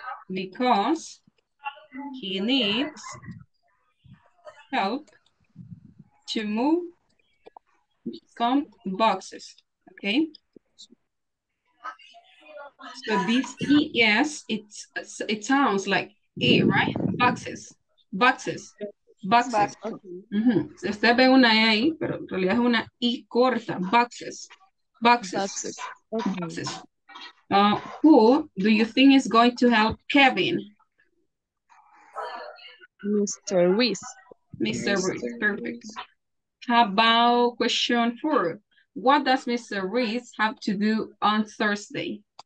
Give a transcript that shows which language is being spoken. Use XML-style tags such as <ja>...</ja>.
<en>Because he needs help to move some boxes. Okay. So this ES, it sounds like A, right? Boxes. Boxes. Boxes. Okay.</en> <es>Usted ve una E ahí, pero en realidad es una I corta.</es> <en>Boxes. Boxes. Okay. Boxes. Who do you think is going to help Kevin? Mr. Ruiz. Mr. Ruiz. Perfect. How about question four? What does Mr. Ruiz have to do on Thursday?</en>